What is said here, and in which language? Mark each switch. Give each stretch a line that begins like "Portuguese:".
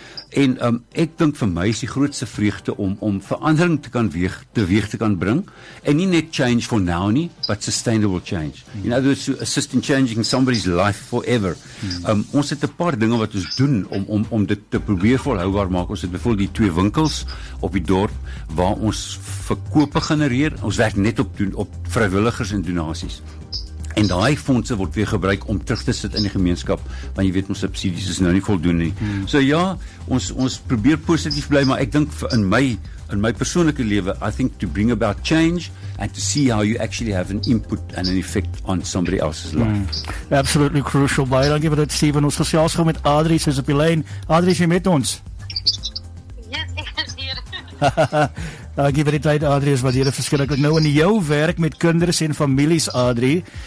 Afrikaans: En ek dink vir my is die grootste vreugde om verandering teweeg te kan bring en nie net
English: change for now
Afrikaans: nie,
English: but sustainable change. In other words, to assist in changing somebody's life forever.
Afrikaans: Ons het 'n paar dinge wat ons doen om dit te probeer volhoubaar maak. Ons het bijvoorbeeld die twee winkels op die dorp waar ons verkope genereer. Ons werk net op vrywilligers en donasies. En daai fondse word weer gebruik om terug te sit in die gemeenskap, want jy weet ons subsidies is nou nie voldoende nie. So ja, ons probeer positief bly, maar ek dink in my persoonlike lewe,
English: I think to bring about change and to see how you actually have an input and an effect on somebody else's life. Absolutely crucial.
Afrikaans: Baie dankie vir dit, Steven. Ons gesels gou met Adrie, sy is op die lyn. Adrie, jy met ons?
English: Yes,
Afrikaans: ek is hier. Dankie vir die tyd, Adrie, is wat jy verskriklik nou in jou werk met kinders en families, Adrie.